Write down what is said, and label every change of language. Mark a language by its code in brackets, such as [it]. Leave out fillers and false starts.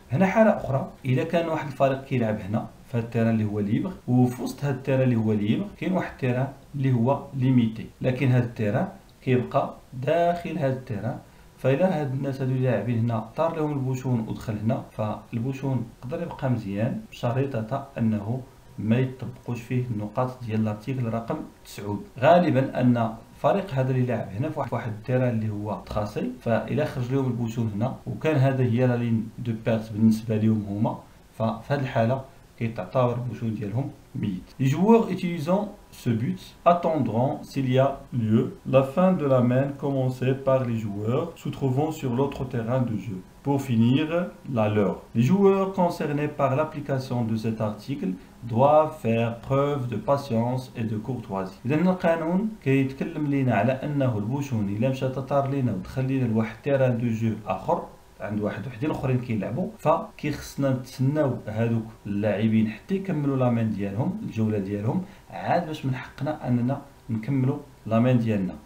[ar] هنا حالة أخرى، إلا كان واحد الفريق كيلعب هنا فهاد التيران اللي هو ليبغ وفي وسط هاد التيران اللي هو ليبغ كاين واحد التيران اللي هو ليميتي، لكن هاد التيران كيبقى داخل هاد التيران، فإلا هاد الناس هادو اللي لاعبين هنا طار لهم البوشون ودخل هنا فالبوشون يقدر يبقى مزيان بشريطة أنه ما يطبقوش فيه النقاط ديال الارتيكل رقم 9. غالبا أن فريق هذا اللي لعب هنا في واحد التيران اللي هو تخاصي، فإلا خرج لهم البوشون هنا وكان هذا هي لا لين دو بيرت بالنسبة لهم هما، ففي هذه الحالة كيتعتبر البوشون ديالهم ميت. [fr] Les joueurs utilisant ce but attendront, s'il y a lieu, la fin de la main commencée par les joueurs se trouvant sur l'autre terrain de jeu pour finir la leur. Les joueurs concernés par l'application de cet article doivent faire preuve de patience et de courtoisie. [ar] إذا القانون كيتكلم لينا على أنه البوشون إلا مشى تطار لينا ودخل لينا لواحد تيران دو جو آخر عند واحد وحدين اخرين كيلعبوا، فكيخصنا نتسناو هذوك اللاعبين حتى يكملوا لامين ديالهم الجوله ديالهم عاد باش من حقنا اننا نكملوا لامين ديالنا.